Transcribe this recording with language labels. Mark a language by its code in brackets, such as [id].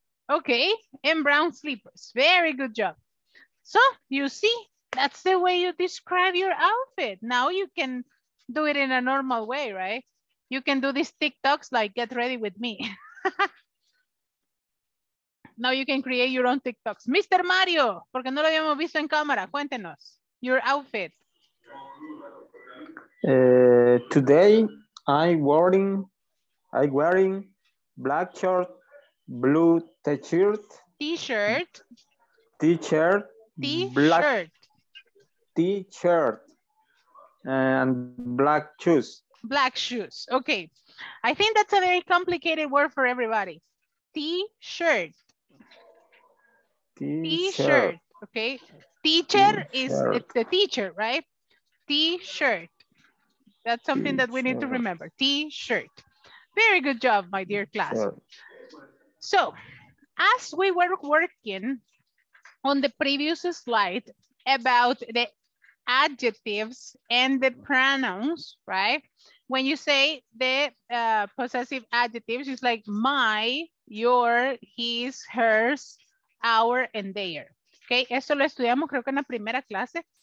[en] Okay, and brown slippers. Very good job. So you see, that's the way you describe your outfit. Now you can do it in a normal way, right? You can do these TikToks like get ready with me. Now you can create your own TikToks. Mr. [es] Mario, porque no lo habíamos visto en cámara. Cuéntenos [en] your outfit. Today I'm wearing black shirt, blue t-shirt. T-shirt. T-shirt. T-shirt. T-shirt. And black shoes. Black shoes. Okay. I think that's a very complicated word for everybody. T-shirt. T-shirt. Okay. Teacher is it's the teacher, right? T-shirt. That's something that we need to remember. T-shirt. Very good job, my dear class. So, as we were working on the previous slide about the adjectives and the pronouns, right? When you say the possessive adjectives, it's like my, your, his, hers, our, and their. [es] Okay, eso lo estudiamos creo que en la primera clase.